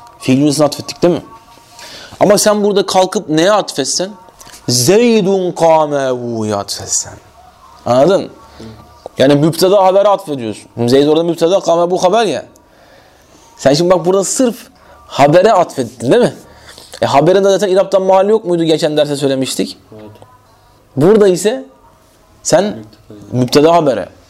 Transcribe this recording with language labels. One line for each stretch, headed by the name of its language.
Turkish: Fiil cümlesine atfettik değil mi? Ama sen burada kalkıp neye atfetsen?
Arabic: زَيْدٌ قَامَ اَبُوهُ
Turkish: atfetsen. Anladın? Yani mübtede haberi atfediyorsun. Zeyd orada mübtede,
Arabic: قَامَ اَبُوهُ
Turkish: haber ya. Sen şimdi bak burada sırf habere atfettin değil mi? Haberin de zaten İrab'dan mahalli yok muydu geçen derste söylemiştik? Burada ise sen mübtede habere.